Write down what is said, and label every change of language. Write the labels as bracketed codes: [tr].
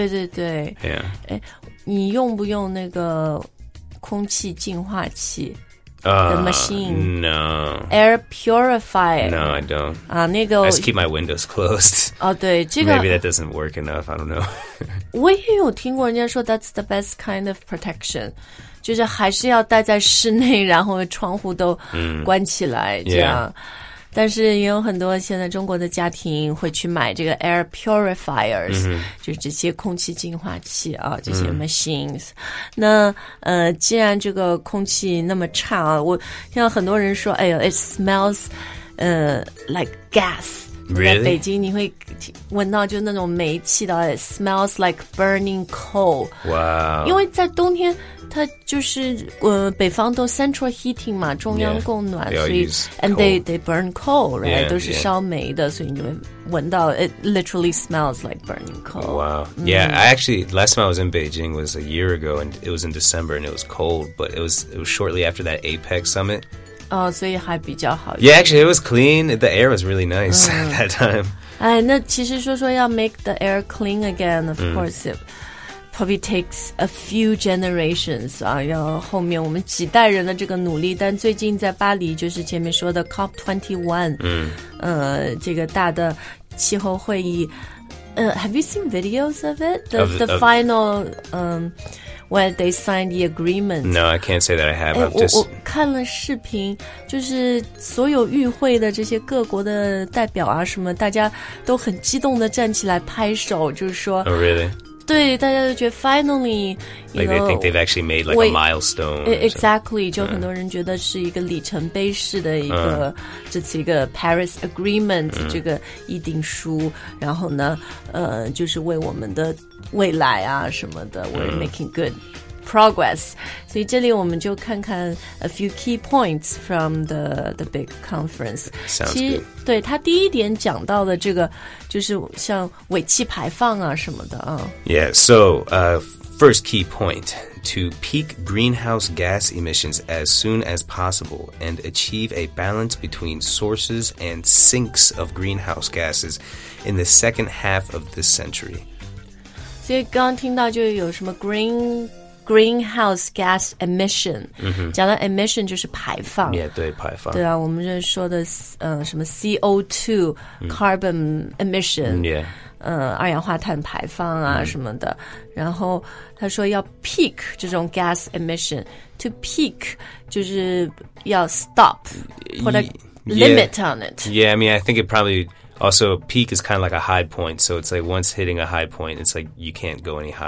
[zh] 对对对 [en] Yeah [zh] 你用不用那个空气净化器 [en] The machine. No. Air purifier. No, I don't. [zh] 那个、 [en] I just keep my windows closed. [zh] Oh, 对、这个、 [en] Maybe that doesn't work enough. I don't know. [zh] 我也有听过人家说 [en] that's the best kind of protection. [zh] 就是还是要待在室内然后窗户都关起来、这样。 [en] Yeah. [zh] 但是也有很多现在中国的家庭会去买这个 air purifiers,、就是这些空气净化器啊这些 machines。那既然这个空气那么差啊我听到很多人说哎呦 , [en] it smells, like gas, Really? [zh] 在北京你会闻到就那种煤气的 [en] smells like burning coal. Wow. [zh] 因为在冬天它就是北方都 central heating 嘛中央供暖 [en] yeah, 所以 and they burn coal, right? Yeah, [zh] 都是烧煤的、yeah. 所以你就会闻到 [en] it literally smells like burning coal. Wow.、Mm. Yeah, I actually, last time I was in Beijing was a year ago and it was in December and it was cold, but it was shortly after that APEC summit. [zh] 哦、所以还比较好。 [en] Yeah, actually, it was clean. The air was really nice、at that time. [zh] 哎，那其实说要 [en] make the air clean again, of、course, it probably takes a few generations. [zh] 啊，要后面我们几代人的这个努力。但最近在巴黎，就是前面说的 COP21,、这个大的气候会议。 [en] Have you seen videos of it? The final...、When they signed the agreement. No, I can't say that I have. [zh] 我看了视频，就是所有与会的这些各国的代表啊，什么大家都很激动的站起来拍手，就是说。 [en] Oh, really? [zh] 对，大家都觉得 finally, [en] you know, they think they've actually made like a milestone. [zh] Exactly, 就很多人觉得是一个里程碑式的一个，这次一个 Paris Agreement 这个议定书，然后呢，就是为我们的。未来啊什么的 [en] we're making good progress [zh] 所以这里我们就看看 [en] a few key points from the big conference sounds [zh] 其实对他第一点讲到的这个就是像尾气排放啊什么的啊 [en] yeah so、first key point to peak greenhouse gas emissions as soon as possible and achieve a balance between sources and sinks of greenhouse gases in the second half of this century [zh] 所以刚刚听到就有什么 greenhouse gas emission、 [en] mm-hmm. [zh] 讲到 emission 就是排放 yeah, 对排放对啊我们就说的、什么 CO2、mm. [en] carbon emission、 yeah. [zh] 二氧化碳排放啊、mm. 什么的然后他说要 peak 这种 [en] gas emission to peak [zh] 就是要 [en] stop put a limit on it yeah I mean I think it probablyAlso, peak is kind of like a high point, so it's like once hitting a high point, it's like you can't go any higher,